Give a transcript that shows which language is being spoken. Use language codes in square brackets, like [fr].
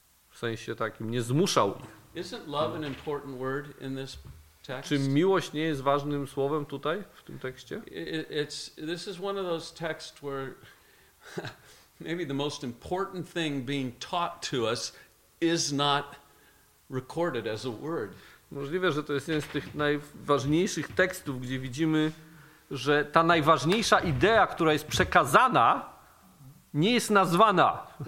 [pl] W sensie takim, nie zmuszał ich. [en] Isn't love an important word in this text? [pl] Czy miłość nie jest ważnym słowem tutaj, w tym tekście? [en] This is one of those texts where maybe the most important thing being taught to us is not recorded as a word. [pl] Możliwe, że to jest jeden z tych najważniejszych tekstów, gdzie widzimy, że ta najważniejsza idea, która jest przekazana, nie jest nazwana.